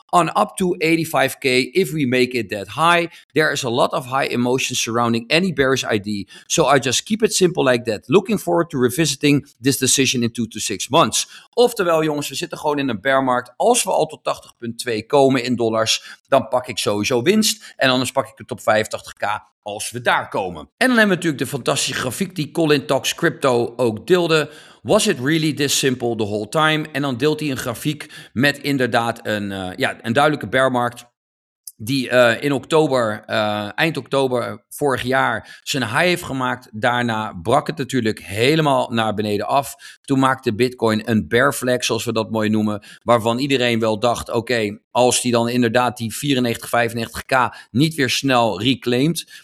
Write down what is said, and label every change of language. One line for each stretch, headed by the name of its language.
English: On up to 85k if we make it that high. There is a lot of high emotion surrounding any bearish ID. So I just keep it simple like that. Looking forward to revisiting this decision in 2 to 6 months.
Dutch: Oftewel jongens, we zitten gewoon in een bear market. Als we al tot 80.2 komen in dollars, dan pak ik sowieso winst. En anders pak ik het op 85k. Als we daar komen. En dan hebben we natuurlijk de fantastische grafiek die Colin Talks Crypto ook deelde.
English: Was it really this simple the whole time?
Dutch: En dan deelt hij een grafiek met inderdaad een duidelijke bear market. Die in oktober, eind oktober vorig jaar zijn high heeft gemaakt. Daarna brak het natuurlijk helemaal naar beneden af. Toen maakte Bitcoin een bear flag, zoals we dat mooi noemen. Waarvan iedereen wel dacht, oké, als die dan inderdaad die 94, 95k niet weer snel reclaimt.